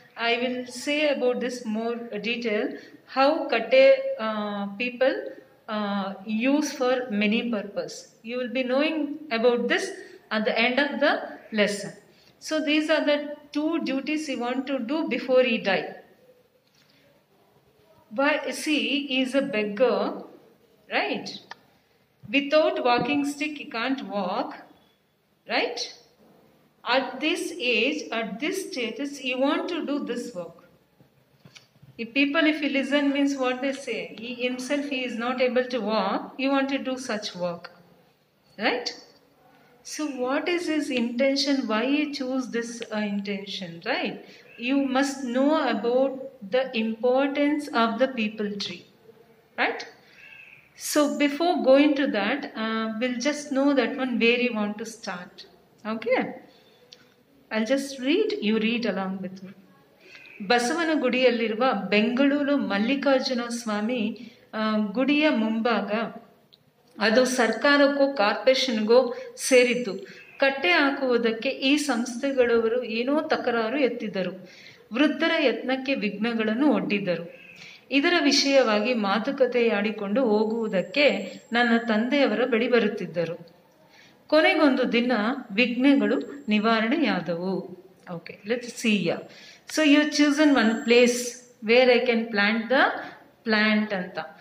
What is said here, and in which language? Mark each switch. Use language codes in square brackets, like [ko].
[en] I will say about this more detail, how ಕಟ್ಟೆ people use for many purpose. You will be knowing about this at the end of the lesson. So these are the two duties you want to do before ಈ die. Why, see, he is a beggar, right? Without walking stick, he can't walk, right? At this age, at this status, he want to do this work. If people, if you listen, means what they say, he himself, he is not able to walk, he want to do such work, right? So what is his intention, why he choose this intention, right? You must know about the importance of the people tree, right? So before going to that, we'll just know that one where you want to start. Okay, I'll just read, you read along with me. [kn] Basavana gudiyalliruva Bengaluru Mallikarjuna Swami gudiya mumbaga adu sarkaraku corporation go seridu ಕಟ್ಟೆ ಹಾಕುವುದಕ್ಕೆ ಈ ಸಂಸ್ಥೆಗಳವರು ಏನೋ ತಕರಾರು ಎತ್ತಿದರು. ವೃದ್ಧರ ಯತ್ನಕ್ಕೆ ವಿಘ್ನಗಳನ್ನು ಒಡ್ಡಿದರು. ಇದರ ವಿಷಯವಾಗಿ ಮಾತುಕತೆಯಾಡಿಕೊಂಡು ಹೋಗುವುದಕ್ಕೆ ನನ್ನ ತಂದೆಯವರ ಬಳಿ ಬರುತ್ತಿದ್ದರು. ಕೊನೆಗೊಂದು ದಿನ ವಿಘ್ನಗಳು ನಿವಾರಣೆಯಾದವು. [en] Okay, let's see yeah. So you chosen one place where I can plant the plant ಅಂತ.